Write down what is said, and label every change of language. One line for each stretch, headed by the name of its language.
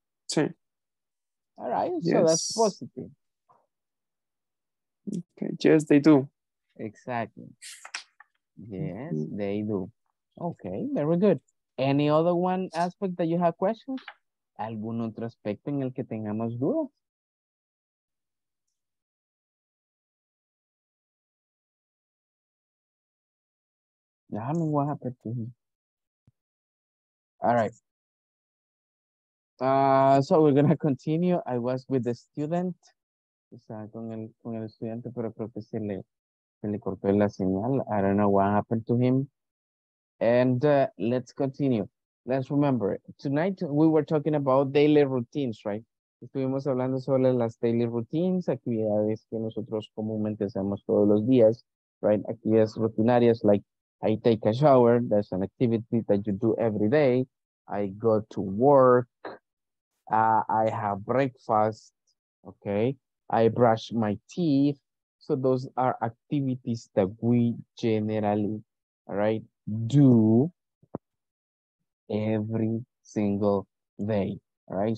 Spanish: Sí.
English: All right, yes. So that's positive. Okay, yes, they do. Exactly. Yes, mm-hmm. They do. Okay, very good. Any other one aspect that you have questions?
Spanish: ¿Algún otro aspecto en el que tengamos dudas?
English: Yeah, I mean, what happened to him? All right. So we're going to continue. I was with the student.
Spanish: O sea, con el estudiante, pero creo que se le cortó la señal.
English: I don't know what happened to him. And let's continue. Let's remember, tonight we were talking about daily routines, right?
Spanish: Estuvimos hablando sobre las daily routines, actividades que nosotros comúnmente hacemos todos los días, right? Actividades rutinarias
English: like I take a shower, that's an activity that you do every day. I go to work. I have breakfast, okay? I brush my teeth. So those are activities that we generally, all right, do every single day, all right?